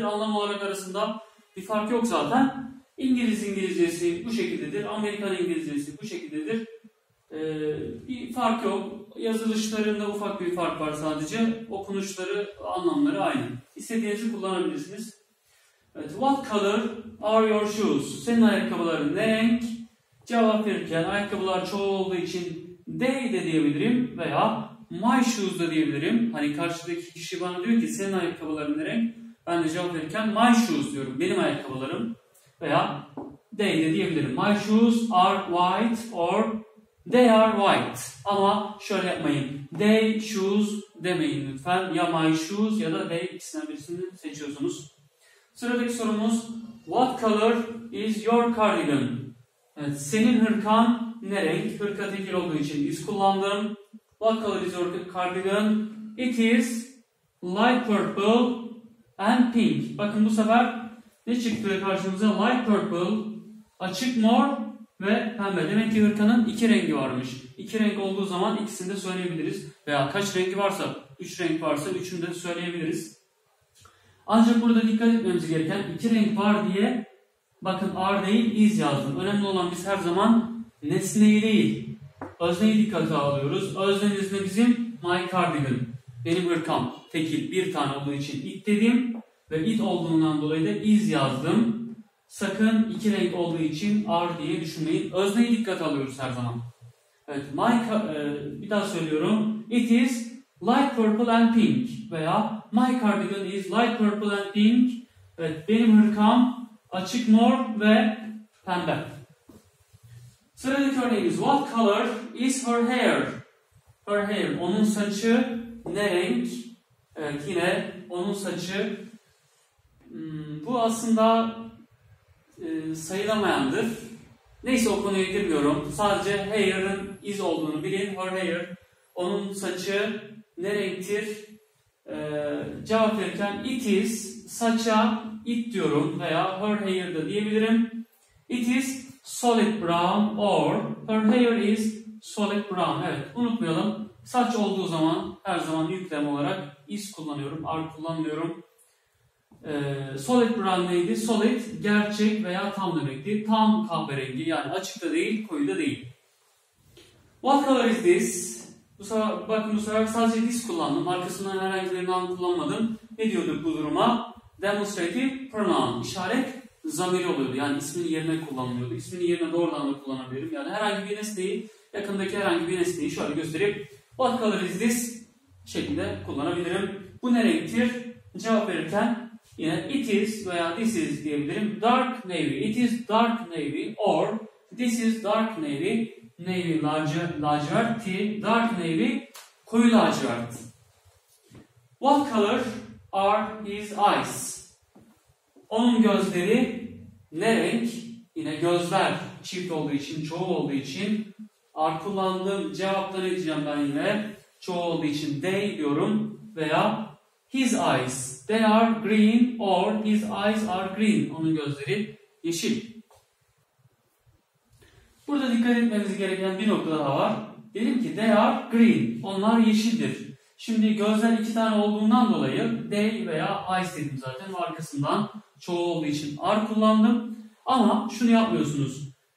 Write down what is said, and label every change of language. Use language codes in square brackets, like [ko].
[tr] Anlam olarak arasında bir fark yok zaten. İngiliz İngilizcesi bu şekildedir. Amerikan İngilizcesi bu şekildedir. Bir fark yok. Yazılışlarında ufak bir fark var sadece. Okunuşları, anlamları aynı. İstediğinizi kullanabilirsiniz. Evet, [en] what color are your shoes? [tr] Senin ayakkabıların ne renk? Cevap verirken ayakkabılar çoğul olduğu için they de diyebilirim veya [en] my shoes [tr] da diyebilirim. Hani karşıdaki kişi bana diyor ki senin ayakkabıların ne renk? Ben de cevap verirken [en] my shoes [tr] diyorum. Benim ayakkabılarım veya they de diyebilirim. [en] My shoes are white or they are white. [tr] Ama şöyle yapmayın. [en] They shoes [tr] demeyin lütfen. Ya [en] my shoes [tr] ya da they, ikisinden birisini seçiyorsunuz. Sıradaki sorumuz [en] what color is your cardigan? [tr] Evet, senin hırkan ne renk? Hırka tekil olduğu için is kullandım. [en] What color is your cardigan? It is light purple and pink. [tr] Bakın bu sefer ne çıktı karşımıza? [en] Light purple, [tr] açık mor ve pembe. Demek ki hırkanın iki rengi varmış. İki renk olduğu zaman ikisini de söyleyebiliriz. Veya kaç rengi varsa, üç renk varsa üçünü de söyleyebiliriz. Ancak burada dikkat etmemiz gereken iki renk var diye bakın are değil is yazdım. Önemli olan biz her zaman nesneyi değil, özneyi dikkate alıyoruz. Özneniz de bizim [en] my cardigan. [tr] Benim hırkam tekil bir tane olduğu için it dedim. Ve it olduğundan dolayı da is yazdım. Sakın iki renk olduğu için are diye düşünmeyin. Özneyi dikkate alıyoruz her zaman. Evet, my bir daha söylüyorum. [en] It is light purple and pink. [tr] Veya [en] my cardigan is light purple and pink. [tr] Evet, benim hırkam Açık mor ve pembe. Sıradaki örneğimiz. [en] What color is her hair? Her hair. [tr] Onun saçı ne renk? Evet, yine onun saçı. Bu aslında sayılamayandır. Neyse, o konuya girmiyorum. Sadece hair'ın is olduğunu bilin. [en] Her hair. [tr] Onun saçı ne renktir? Cevap verirken [en] it is, [tr] saça it diyorum veya [en] her hair [tr] da diyebilirim. [en] It is solid brown or her hair is solid brown. [tr] Evet, unutmayalım. Saç olduğu zaman her zaman yüklem olarak is kullanıyorum, are kullanmıyorum. [en] Solid brown [tr] neydi? Solid, gerçek veya tam demekti. Tam kahverengi, yani açık da değil, koyu da değil. [en] What color is this? [tr] Bakın bu sefer sadece this kullandım. Arkasından herhangi bir noun kullanmadım. Ne diyorduk bu duruma? [en] Demonstrative pronoun. [tr] İşaret zamiri oluyordu. Yani ismini yerine kullanılıyordu. İsmini yerine doğrudan da kullanabilirim. Yani herhangi bir nesneyi, yakındaki herhangi bir nesneyi şöyle göstereyim. [en] What color is this? [tr] Şeklinde kullanabilirim. Bu ne renktir? Cevap verirken yine [en] it is [tr] veya [en] this is [tr] diyebilirim. [en] Dark navy. It is dark navy or this is dark navy. [tr] Navy lacivert, [en] dark navy [tr] koyu lacivert. [en] What color are his eyes? [tr] Onun gözleri ne renk? Yine gözler çift olduğu için, çoğul olduğu için are kullandım. Cevapları diyeceğim ben yine. Çoğul olduğu için they diyorum veya [en] his eyes. They are green or his eyes are green. [tr] Onun gözleri yeşil. Burada dikkat etmemiz gereken bir nokta daha var. Dedim ki [en] they are green. [tr] Onlar yeşildir. Şimdi gözler iki tane olduğundan dolayı they veya eyes dedim zaten. Arkasından çoğul olduğu için are kullandım. Ama şunu yapmıyorsunuz.